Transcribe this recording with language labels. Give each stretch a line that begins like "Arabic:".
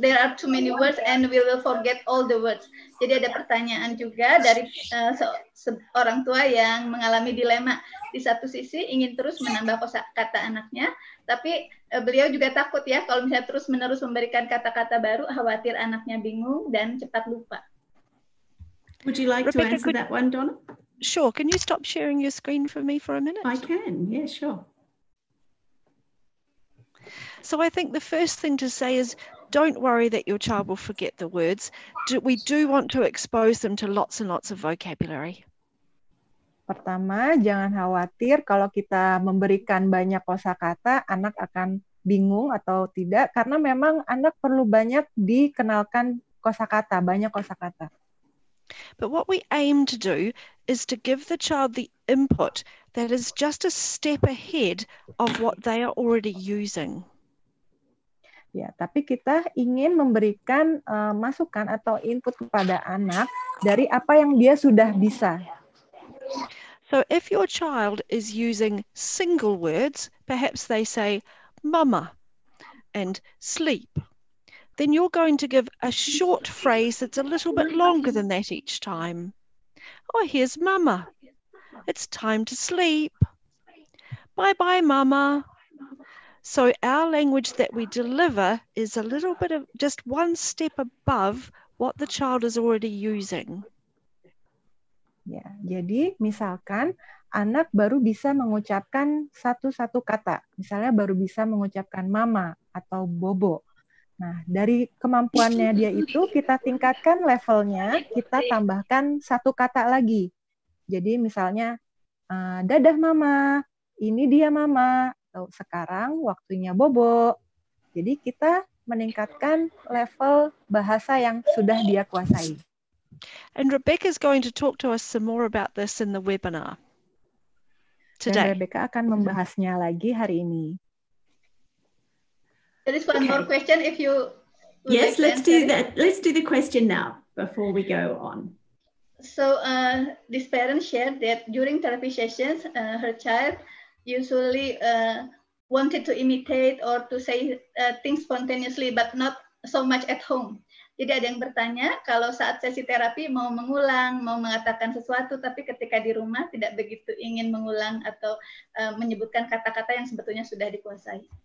English: There are too many words and will forget all the words.
Indonesian: Jadi ada pertanyaan juga dari seorang tua yang mengalami dilema. Di satu sisi ingin terus menambah kosakata anaknya, tapi beliau juga takut ya kalau misalnya terus-menerus memberikan kata-kata baru, khawatir anaknya bingung dan cepat lupa.
English: Would you like Rebecca, to answer that one, Donna? Sure. Can you stop sharing your screen for me for a minute? I can. Yeah, sure. So I think the first thing to say is don't worry that your child will forget the words. We do want to expose them to lots and lots of vocabulary.
Indonesian: Pertama, jangan khawatir kalau kita memberikan banyak kosakata, anak akan bingung atau tidak, karena memang anak perlu banyak dikenalkan kosakata, banyak kosakata.
English: But what we aim to do is to give the child the input that is just a step ahead of what they are already using.
Indonesian: Ya, tapi kita ingin memberikan masukan atau input kepada anak dari apa yang dia sudah bisa.
English: So if your child is using single words, perhaps they say mama and sleep, then you're going to give a short phrase that's a little bit longer than that each time. Oh, here's mama. It's time to sleep. Bye-bye, mama. So our language that we deliver is a little bit of just one step above what the child is already using.
Indonesian: Ya, jadi misalkan anak baru bisa mengucapkan satu-satu kata. Misalnya baru bisa mengucapkan mama atau bobo. Nah, dari kemampuannya dia itu kita tingkatkan levelnya, kita tambahkan satu kata lagi. Jadi misalnya dadah mama, ini dia mama. Atau sekarang waktunya bobo. Jadi kita meningkatkan level bahasa yang sudah dia kuasai.
English: And Rebecca is going to talk to us some more about this in the webinar today.
Indonesian: Dan Rebecca akan membahasnya lagi hari ini.
English: There is one okay. more question if you... Yes, let's answer. Do that. Let's do the question now before we go on. So this parent shared that during therapy sessions, her child usually wanted to imitate or to say things spontaneously, but not so much at home.
Indonesian: Jadi ada yang bertanya, kalau saat sesi terapi mau mengulang, mau mengatakan sesuatu, tapi ketika di rumah tidak begitu ingin mengulang atau menyebutkan kata-kata yang sebetulnya sudah dikuasai.